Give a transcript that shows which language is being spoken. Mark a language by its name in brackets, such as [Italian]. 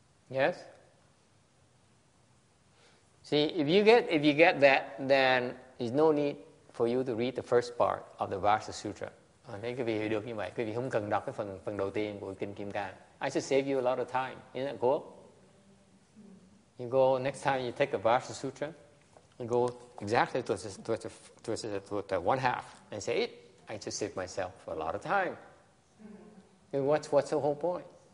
[English] Yes? See, if you get that, then there's no need for you to read the first part of the Vajra Sutra. [Vietnamese] Thế quý vị hiểu được như vậy, quý vị không cần đọc cái phần đầu tiên của Kinh Kim Cang. [English] I should save you a lot of time, isn't that cool? You go, next time you take a Vajra Sutra, you go exactly towards the one half and say it. I just save myself a lot of time. And what's the whole point?